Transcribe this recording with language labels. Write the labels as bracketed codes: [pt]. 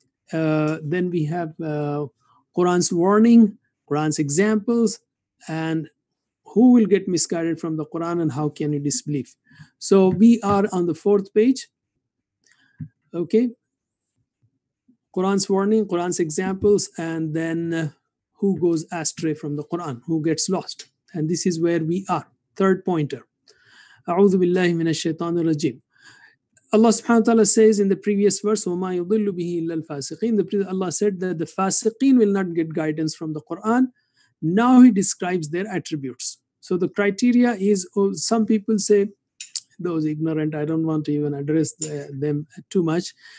[en] Then we have Quran's warning, Quran's examples, and who will get misguided from the Quran and how can you disbelieve. So we are on the fourth page. Okay. Quran's warning, Quran's examples, and then who goes astray from the Quran, who gets lost. And this is where we are. Third pointer. [ar] أعوذ بالله من الشيطان الرجيم. [en] Allah subhanahu wa ta'ala says in the previous verse, [ar] وَمَا يُضِلُّ بِهِ إِلَّا الْفَاسِقِينَ. [en] Allah said that the fasiqeen will not get guidance from the Quran. Now he describes their attributes. So the criteria is, oh, some people say, those ignorant, I don't want to even address them too much.